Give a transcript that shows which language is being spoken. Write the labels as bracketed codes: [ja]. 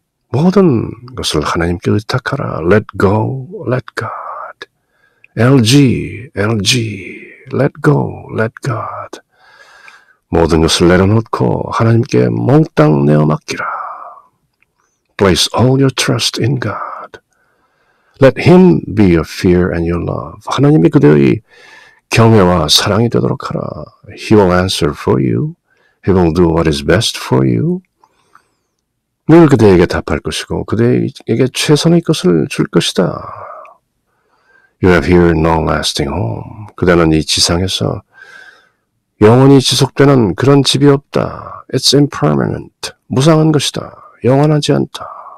[ko] 모든 것을 하나님께 의탁하라. [en] Let go. LG, let God. [ko] 모든 것을 내려놓고 하나님께 몽땅 내어맡기라. [en] Place all your trust in God. Let Him be your fear and your love. [ko] 하나님이 그대의 경외와 사랑이 되도록 하라. [en] He will answer for you. He will do what is best for you. [ko] 늘 그대에게 답할 것이고 그대에게 최선의 것을 줄 것이다. [en] You have here no lasting home. [ko] 그대는 이 지상에서 영원히 지속되는 그런 집이 없다. [en] It's impermanent. [ko] 무상한 것이다. 영원하지 않다.